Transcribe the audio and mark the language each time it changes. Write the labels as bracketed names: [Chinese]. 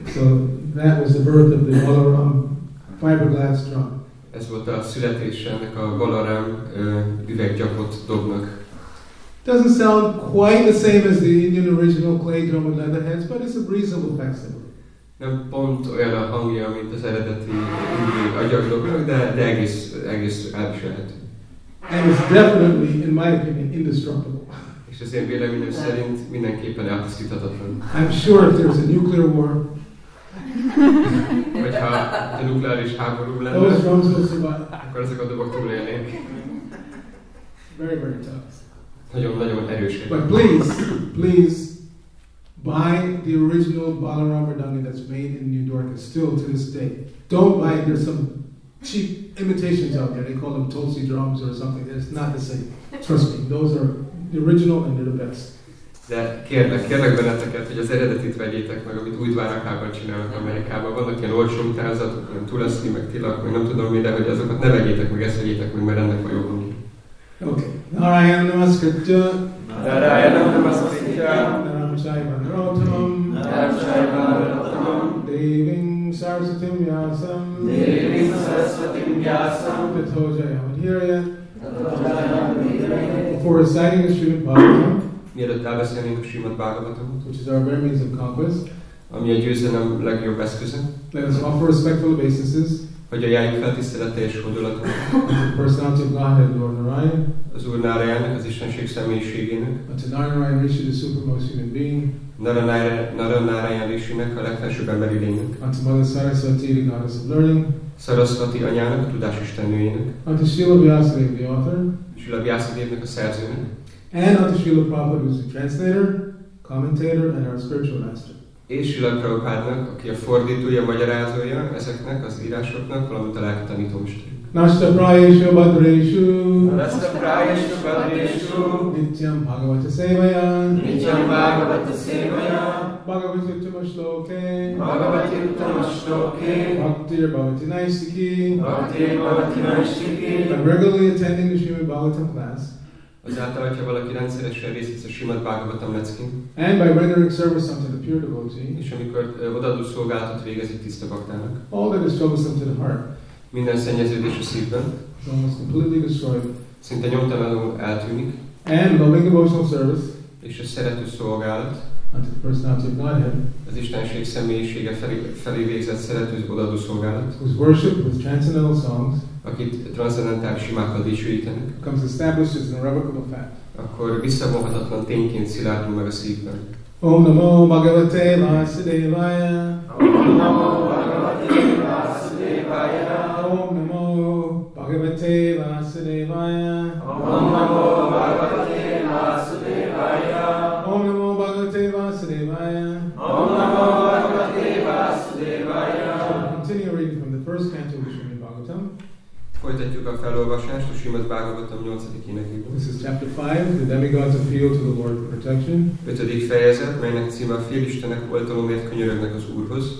[English] So that was the birth of the Balaram fiberglass drum. [Hungarian] Ez volt a születése ennek a Balaram üveggyapott dobnak. [English] Doesn't sound quite the same as the Indian original clay drum with leather heads, but it's a reasonable facsimile. [Hungarian] Nem pont olyan a hangja, mint az eredeti indiai agyagdobnak, de egész elviselhető. [English] And it's definitely, in my opinion, indestructible. [Hungarian] És az én véleményem szerint mindenképpen elpusztíthatatlan. [English] I'm sure if there's a nuclear war. [Hungarian] Hogyha a nukleáris háború lenne, [English] those drums will survive. [Hungarian] Akkor ezek a dobok túlélnék. [English] Very, very tough. [Hungarian] Nagyon, [English] but please buy the original Balaram Vrindavan that's made in New York and still to this day. Don't buy it. There's some cheap imitations out there. They call them Tulsi drums or something. It's not the same. Trust me, those are the original and they're the best. [Hungarian] De kérlek benneteket, hogy az eredetit vegyétek meg, amit Újdvárakában csinálnak Amerikában. Vannak ilyen olcsó utánzatok, olyan Tulsi, meg Tilak, meg nem tudom mi, de hogy azokat ne vegyétek meg, ezt vegyétek meg, mert ennek a jó hangja. [Sanskrit] Okay. Narayana Namaskritya. Narayana Namaskritya. Naram Shaiva Narottamam. Naram Shaiva Narottamam. Devim Sarasvatim Vyasam. Devim Sarasvatim Vyasam. Vitho Jayam Adhirya. Vitho Jayam Adhirya. Before [English] reciting the Srimad Bhagavatam, which is our very means of conquest, [Hungarian] ami a győzelem legjobb eszköze, [English] let us offer respectful obeisances. [Hungarian] Hogy ajánljuk fel tisztelete és hódolatot. [English] Personality of Godhead, Lord Narayan. [Hungarian] Az Úr Narayan, az Istenség személyiségének. [English] But to Narayan Rishi, the supermost human being. [Hungarian] Narayan Rishinek, a legfelsőbb emberi lénynek. [English] Unto Mother Saraswati, the goddess of learning. [Hungarian] Saraswati anyának, a tudás istennőjének. [English] Unto Srila Vyasadeva, the author. [Hungarian] Srila Vyasadevnek, a szerzőnek. [English] And unto Srila Prabhupada, who is the translator, commentator, and our spiritual master. [Hungarian] És Srila Prabhupádnak, aki a fordítója, magyarázója ezeknek az írásoknak, valamint a lelki tanítómesterünk. [Sanskrit] Nasta prayesu badresu. Nasta prayesu badresu. Nityam bhagavata sevaya. Nityam bhagavata sevaya. Bhagavati uttama shloke. Bhagavati uttama shloke. Bhaktir bhavati naistiki. Bhaktir bhavati naistiki. [English] I'm regularly attending the Srimad Bhagavatam class. [Hungarian] Azáltal, hogyha valaki rendszeresen részt vesz a Srimad Bhagavatam leckén, [English] and by rendering service unto the pure devotee, [Hungarian] és amikor odaadó szolgálatot végez egy tiszta baktának, [English] all that is troublesome to the heart, [Hungarian] minden szennyeződés a szívben, [English] is almost completely destroyed, [Hungarian] szinte nyomtalanul eltűnik, [English] and loving devotional service, [Hungarian] és a szerető szolgálat, [English] unto the personality of Godhead, [Hungarian] az Istenség személyisége felé végzett szerető odaadó szolgálat, [English] whose worship with transcendental songs, [Hungarian] akit transzendentális imákkal dicsőítenek, [English] comes established as an irrevocable fact. [Hungarian] Akkor visszavonhatatlan tényként szilárdul meg a szívben. [Sanskrit] Om namo bhagavate vasudevaya. Om namo bhagavate vasudevaya. Om namo bhagavate vasudevaya. Om namo bhagavate vasudevaya. Om namo bhagavate vasudevaya. Om namo bhagavate vasudevaya. [English] Continue reading from the first canto of Srimad Bhagavatam. [Hungarian] Folytatjuk a felolvasást a Srimad Bhagavatam 8. énekében. [English] This is chapter 5, the demigods appeal to the Lord for protection. [Hungarian] 5. fejezet, melynek címe a félistenek oltalomért könyörögnek az Úrhoz.